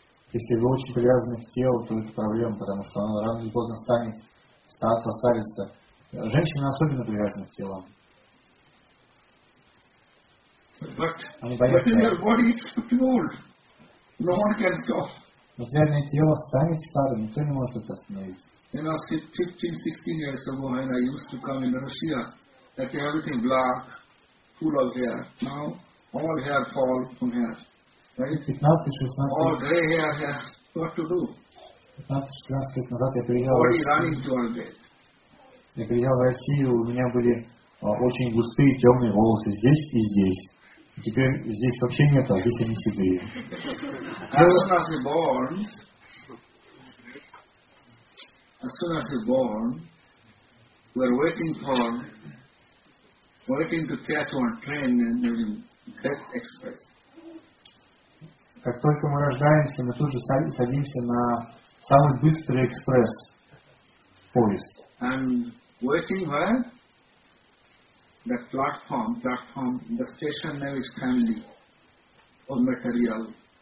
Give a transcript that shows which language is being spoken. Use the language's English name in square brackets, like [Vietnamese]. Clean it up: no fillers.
[Russian] Если вы очень привязаны к телу, то это проблема, потому что она рано или поздно станет состарится. Женщины особенно привязаны к телу. [English] But in your body it's too old. No one can stop. [Russian] Материальное тело станет старым, никто не может это остановить. [English] You know, 15-16 years ago when I used to come in Russia, that everything black, full of hair. Now all hair fall from hair. Right? All grey hair here. What to do? [Russian] 15-16 лет назад я приезжал. [English] Already running to all this. [Russian] Я приезжал в Россию, у меня были очень густые темные волосы здесь и здесь. Теперь здесь вообще нет, а здесь они седые. [English] As soon as we born, we're waiting to catch on train and then get express. [Russian] Как только мы рождаемся, мы тут же садимся на самый быстрый экспресс. поезд. [English] And working where? The platform, the station name is family or material.